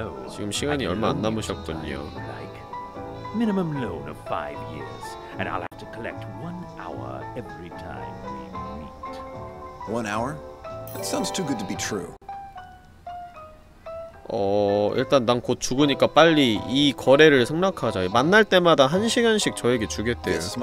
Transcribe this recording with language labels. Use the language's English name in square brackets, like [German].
[Korean] 지금 시간이 얼마 안 남으셨군요. [English] Minimum loan of 5 years and I'll have to collect 1 hour every time we meet. 1 hour? That sounds too good to be true. [Korean] 일단 난 곧 죽으니까 빨리 이 거래를 승낙하자. 만날 때마다 한 시간씩 저에게 주겠대요.